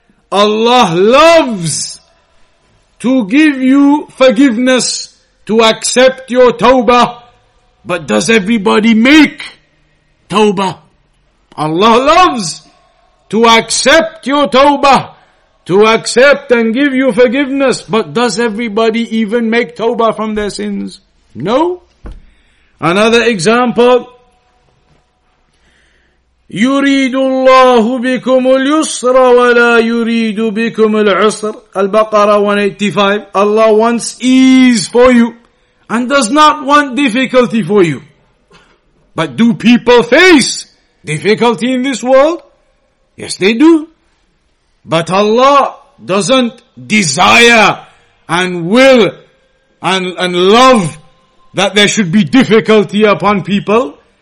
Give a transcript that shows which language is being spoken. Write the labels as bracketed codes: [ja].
[en] Allah loves to give you forgiveness, to accept your tawbah. But does everybody make tawbah? Allah loves to accept your tawbah, to accept and give you forgiveness. But does everybody even make tawbah from their sins? No. Another example, [ar] يريد الله بكم اليسر ولا يريد بكم العسر. البقرة 185. [en] Allah wants ease for you and does not want difficulty for you. But do people face difficulty in this world? Yes, they do. But Allah doesn't desire and will and love that there should be difficulty upon people.